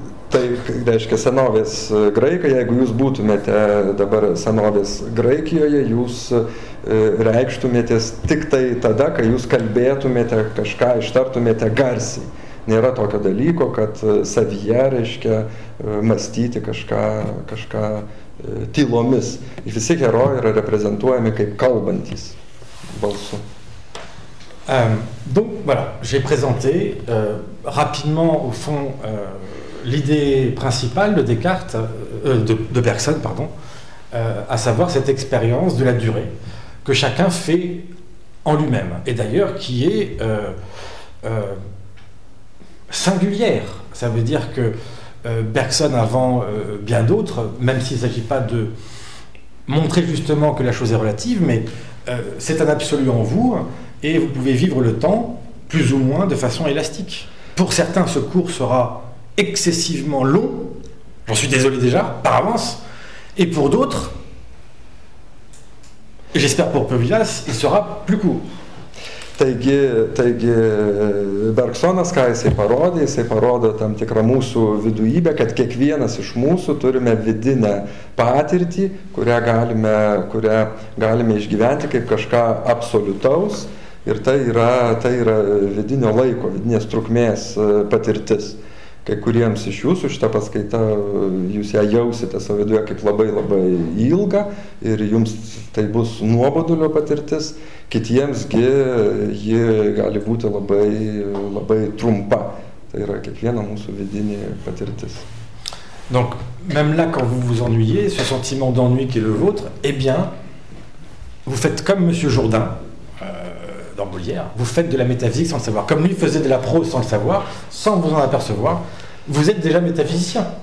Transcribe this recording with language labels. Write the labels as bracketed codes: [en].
[lt] Tai reiškia senovės graikai, jeigu jūs būtumėte dabar senovės Graikijoje, jūs reikštumėtės tik tai tada, kai jūs kalbėtumėte kažką, ištartumėte garsiai. Nėra tokio dalyko, kad savyje, reiškia, mąstyti kažką tylomis. Ir visi herojai yra reprezentuojami kaip kalbantys balsu. [fr] Donc, voilà, j'ai présenté rapidement, au fond, l'idée principale de Descartes, de Bergson, pardon, à savoir cette expérience de la durée que chacun fait en lui-même, et d'ailleurs qui est singulière. Ça veut dire que Bergson avant bien d'autres, même s'il ne s'agit pas de montrer justement que la chose est relative, mais c'est un absolu en vous, et vous pouvez vivre le temps plus ou moins de façon élastique. Pour certains, ce cours sera excessivement long, j'en suis désolé déjà, par avance, et pour d'autres, j'espère pour Pevilas, il sera plus court. [lt] Taigi, Bergsonas, ką jisai parodė tam tikrą mūsų viduybę, kad kiekvienas iš mūsų turime vidinę patirtį, kurią galime išgyventi kaip kažką absoliutaus, ir tai yra vidinio laiko, vidinės trukmės patirtis. Kai kuriems iš jūsų šitą paskaitą, jūs ją jausite savo viduje kaip labai labai ilga ir jums tai bus nuobodulio patirtis, kitiemsgi ji gali būti labai labai trumpa. Tai yra kiekviena mūsų vidinė patirtis. [fr] Donc, même là, quand vous vous ennuyez, ce sentiment d'ennui qui est le vôtre, eh bien, vous faites comme Monsieur Jourdain, dans Molière, vous faites de la métaphysique sans le savoir. Comme lui faisait de la prose sans le savoir, sans vous en apercevoir, vous êtes déjà métaphysicien.